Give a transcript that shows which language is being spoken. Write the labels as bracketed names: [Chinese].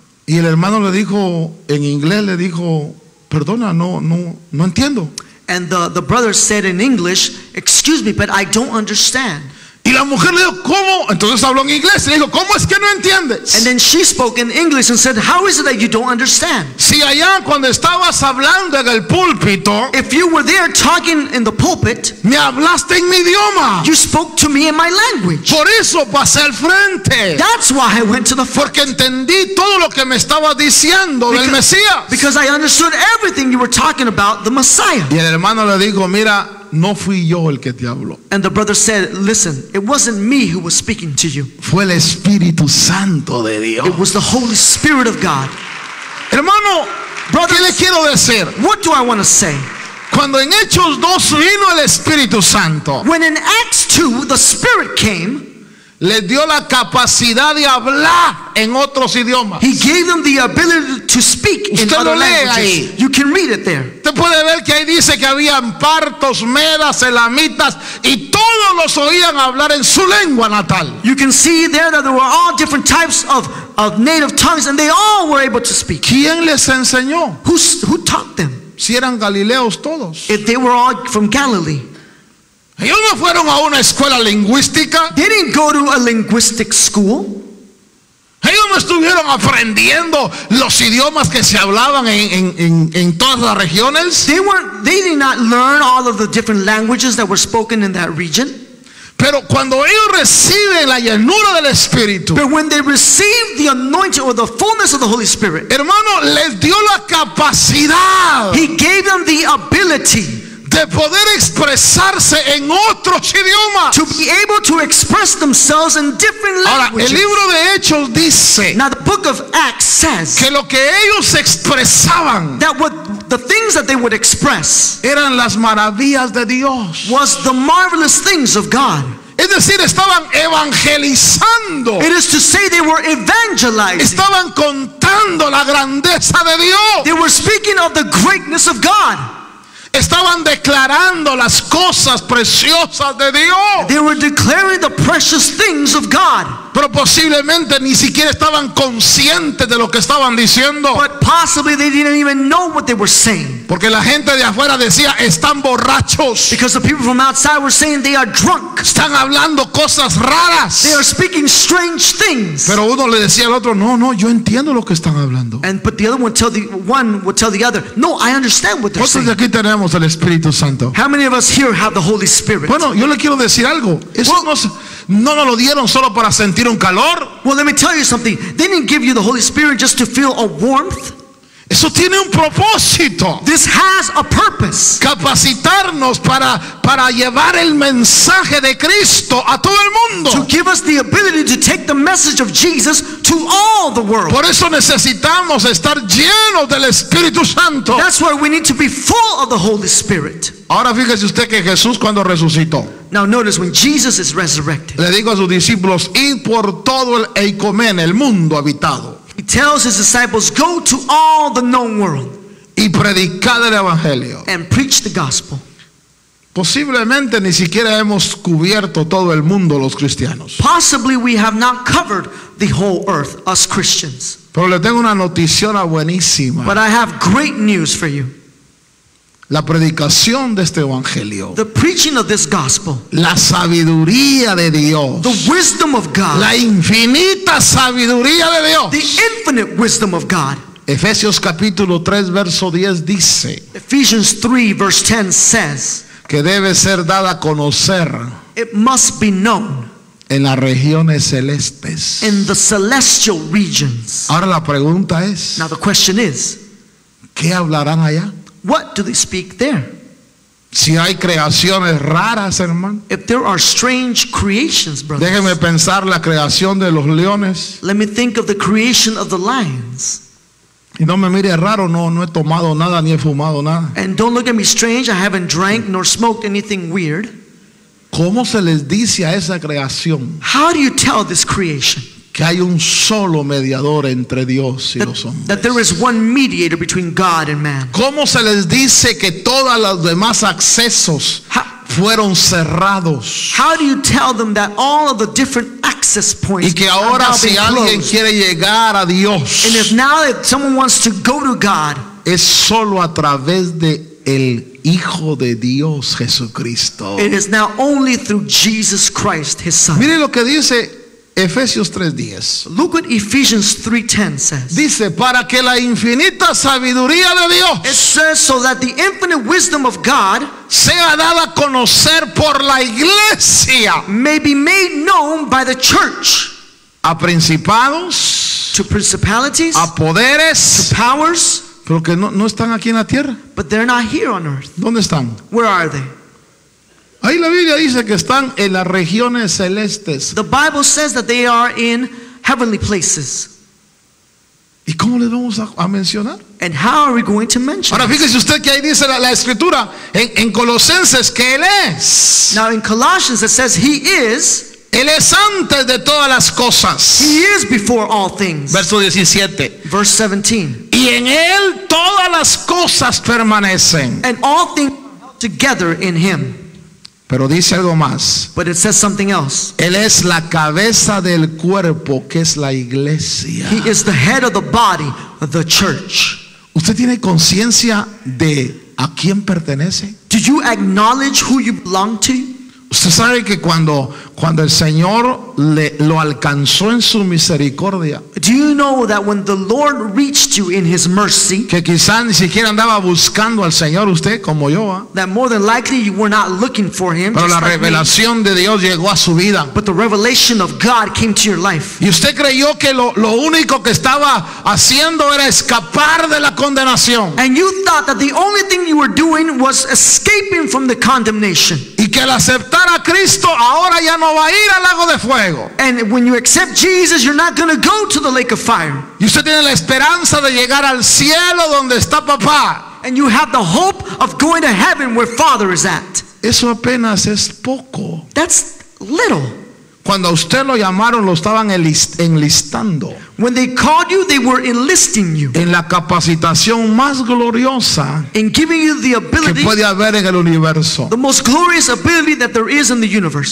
[Spanish] Y el hermano le dijo en inglés, le dijo, "Perdona, no entiendo." [English] And the brother said in English, "Excuse me, but I don't understand." [Spanish] Y la mujer le dijo, ¿cómo? Entonces habló en inglés. Le dijo, ¿cómo es que no entiendes? [English] And then she spoke in English and said, how is it that you don't understand? [Spanish] Si allá cuando estabas hablando en el púlpito, [English] if you were there talking in the pulpit, [Spanish] me hablaste en mi idioma. [English] You spoke to me in my language. [Spanish] Por eso pasé al frente. [English] That's why I went to the front. [Spanish] Porque entendí todo lo que me estaba diciendo del Mesías. [English] Because I understood everything you were talking about, the Messiah. [Spanish] Y el hermano le dijo, mira, no fui yo el que te habló. [English] And the brother said, listen, it wasn't me who was speaking to you. [Spanish] Fue el Espíritu Santo de Dios. [English] It was the Holy Spirit of God. [Spanish] Hermano, brothers, ¿qué le quiero decir? [English] What do I want to say? [Spanish] Cuando en Hechos 2 vino el Espíritu Santo, [English] when in Acts 2 the Spirit came, [Spanish] le dio la capacidad de hablar en otros idiomas. [English] He gave them the ability to speak in other languages. [Spanish] Ahí. [English] You can read it there. [Spanish] Usted puede ver que ahí dice que habían partos, medas, elamitas, y todos los oían hablar en su lengua natal. [English] You can see there that there were all different types of native tongues, and they all were able to speak. [Spanish] ¿Quién les enseñó? [English] Who taught them? [Spanish] Si eran galileos todos. [English] If they were all from Galilee. [Spanish] Ellos no fueron a una escuela lingüística. [English] They didn't go to a linguistic school. [Spanish] Ellos no estuvieron aprendiendo los idiomas que se hablaban en todas las regiones. [English] They did not learn all of the different languages that were spoken in that region. [Spanish] Pero cuando ellos reciben la llenura del Espíritu, [English] but when they received the anointing or the fullness of the Holy Spirit, [Spanish] hermano, les dio la capacidad. [English] He gave them the ability [Spanish] de poder expresarse en otros idiomas, [English] to be able to express themselves in different languages. [Spanish] Ahora, el libro de Hechos dice, [English] now the book of Acts says, [Spanish] que lo que ellos expresaban, [English] that what the things that they would express, [Spanish] eran las maravillas de Dios, [English] was the marvelous things of God. [Spanish] Es decir, estaban evangelizando. [English] It is to say they were evangelizing. [Spanish] Estaban contando la grandeza de Dios. [English] They were speaking of the greatness of God. [Spanish] Estaban declarando las cosas preciosas de Dios. [English] They were declaring the precious things of God. [Spanish] Pero posiblemente ni siquiera estaban conscientes de lo que estaban diciendo. [English] But possibly they didn't even know what they were saying. [Spanish] Porque la gente de afuera decía, están borrachos. [English] Because the people from outside were saying they are drunk. [Spanish] Están hablando cosas raras. [English] They are speaking strange things. [Spanish] Pero uno le decía al otro, no, yo entiendo lo que están hablando. [English] And but the other one would tell the other, no, I understand what they're saying. [Spanish] ¿Cuántos de aquí tenemos el Espíritu Santo? [English] How many of us here have the Holy Spirit? [Spanish] Bueno, yo le quiero decir algo. No lo dieron solo para sentir un calor. [English] Well, let me tell you something. They didn't give you the Holy Spirit just to feel a warmth. [Spanish] Eso tiene un propósito. [English] This has a purpose. [Spanish] Capacitarnos para llevar el mensaje de Cristo a todo el mundo. [English] To give us the ability to take the message of Jesus to all the world. [Spanish] Por eso necesitamos estar llenos del Espíritu Santo. [English] That's why we need to be full of the Holy Spirit. [Spanish] Ahora fíjese usted que Jesús cuando resucitó. [English] Now notice when Jesus is resurrected. [Spanish] Le dijo a sus discípulos, id por todo el Eicomen, el mundo habitado. [English] He tells his disciples, go to all the known world. [Spanish] Y predicad el evangelio. [English] And preach the gospel. [Spanish] Posiblemente ni siquiera hemos cubierto todo el mundo los cristianos. [English] Possibly we have not covered the whole earth, us Christians. [Spanish] Pero le tengo una noticia buenísima. [English] But I have great news for you. [Spanish] La predicación de este evangelio, [English] the preaching of this gospel, [Spanish] la sabiduría de Dios, [English] the wisdom of God, [Spanish] la infinita sabiduría de Dios, [English] the infinite wisdom of God. [Spanish] Efesios capítulo 3 verso 10 dice, [English] Ephesians 3 verse 10 says, [Spanish] que debe ser dada a conocer, [English] it must be known, [Spanish] en las regiones celestes, [English] in the celestial regions. [Spanish] Ahora la pregunta es, [English] now the question is, [Spanish] ¿qué hablarán allá? [English] What do they speak there? [Spanish] Si hay creaciones raras, hermano. [English] If there are strange creations, brothers. [Spanish] Déjeme pensar la creación de los leones. [English] Let me think of the creation of the lions. [Spanish] Y no me mire raro, no he tomado nada ni he fumado nada. [English] And don't look at me strange, I haven't drank nor smoked anything weird. [Spanish] ¿Cómo se les dice a esa creación? [English] How do you tell this creation? [Spanish] Que hay un solo mediador entre Dios y los hombres. [English] That there is one mediator between God and man. [Spanish] ¿Cómo se les dice que todos los demás accesos fueron cerrados? [English] How do you tell them that all of the different access points [Spanish] y que ahora si alguien quiere llegar a Dios, [English] and if now if someone wants to go to God, [Spanish] es solo a través de el Hijo de Dios Jesucristo. [English] It is now only through Jesus Christ, his son. [Spanish] Mire lo que dice Efesios 3:10. [English] Look what Ephesians 3:10 says. [Spanish] Dice, para que la infinita sabiduría de Dios, [English] it says, so that the infinite wisdom of God [Spanish] sea dada a conocer por la iglesia, [English] may be made known by the church, [Spanish] a principados, [English] to principalities, [Spanish] a poderes, [English] to powers, [Spanish] pero que no, no están aquí en la tierra. [English] But they're not here on earth. [Spanish] ¿Dónde están? [English] Where are they? [Spanish] Ahí la Biblia dice que están en las regiones celestes. [English] The Bible says that they are in heavenly places. [Spanish] ¿Y cómo les vamos a mencionar? [English] And how are we going to mention? [Spanish] Ahora fíjese usted que ahí dice la escritura en Colosenses que él es. [English] Now in Colossians it says he is. [Spanish] Él es antes de todas las cosas. [English] He is before all things. [Spanish] Verso 17. [English] Verse 17. [Spanish] Y en él todas las cosas permanecen. [English] And all things are together in him. [Spanish] Pero dice algo más. [English] But it says something else. [Spanish] Él es la cabeza del cuerpo, que es la iglesia. [English] He is the head of the body, the church. [Spanish] ¿Usted tiene conciencia de a quién pertenece? [English] Do you acknowledge who you belong to? [Spanish] Usted sabe que cuando el Señor lo alcanzó en su misericordia, [English] do you know that when the Lord reached you in his mercy, [Spanish] que quizás ni siquiera andaba buscando al Señor usted como yo, [English] that more than likely you were not looking for him, [Spanish] pero la revelación de Dios llegó a su vida, [English] but the revelation of God came to your life, [Spanish] y usted creyó que lo único que estaba haciendo era escapar de la condenación, [English] and you thought that the only thing you were doing was escaping from the condemnation, [Spanish] y que al aceptar a Cristo ahora ya no va a ir al lago de fuego. [English] And when you accept Jesus, you're not going to go to the lake of fire. [Spanish] Y usted tiene la esperanza de llegar al cielo donde está papá. [English] And you have the hope of going to heaven where Father is at. [Spanish] Eso apenas es poco. [English] That's little. [Spanish] Cuando a usted lo llamaron, lo estaban enlistando. [English] When they called you, they were enlisting you. [Spanish] En la capacitación más gloriosa, [English] in giving you the ability, [Spanish] que puede haber en el universo, [English] the most glorious ability that there is in the universe,